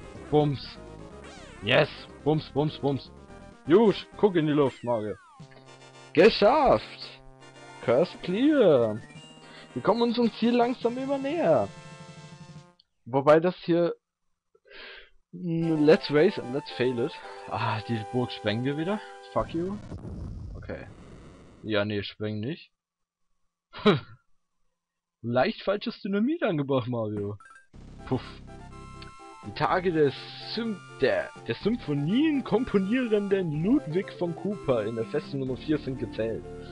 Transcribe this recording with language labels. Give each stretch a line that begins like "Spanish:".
German: Bums. Yes. Bums, bums, bums. Jut, guck in die Luft, Mario. Geschafft.
English: Curse clear.
German: Wir kommen unserem Ziel langsam immer näher. Wobei das hier...
English: Let's race and let's fail it.
German: Ah, die Burg sprengen wir wieder.
English: Fuck you. Okay.
German: Ja, nee, spreng nicht. Leicht falsches Dynamit angebracht, Mario. Puff. Die Tage des Symphonien-komponierenden Ludwig von Cooper in der Festung Nummer 4 sind gezählt.